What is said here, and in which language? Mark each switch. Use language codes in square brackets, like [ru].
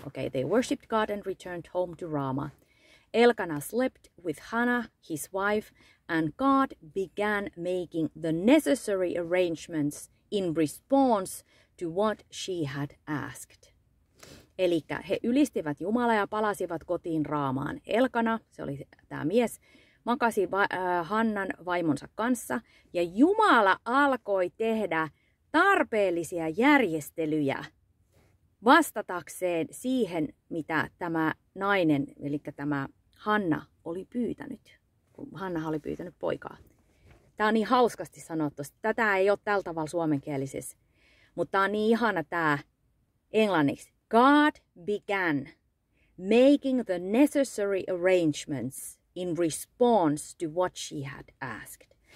[en] Okay, they worshipped God and returned home to Rama. Elkana slept with Hannah, his wife, and God began making the necessary arrangements in response to what she had asked. [fi] Eli he ylistivät Jumalaa ja palasivat kotiin Raamaan. Elkana, se oli tämä mies, makasi Hannan vaimonsa kanssa ja Jumala alkoi tehdä tarpeellisia järjestelyjä vastatakseen siihen, mitä tämä nainen, eli tämä Hanna oli pyytänyt. Hanna oli pyytänyt poikaa. Tämä on niin hauskasti sanottu. Tätä ei ole tällä tavalla suomenkielisessä, mutta tämä on niin ihana tämä englanniksi. [en] God began making the necessary arrangements in response to what she had asked.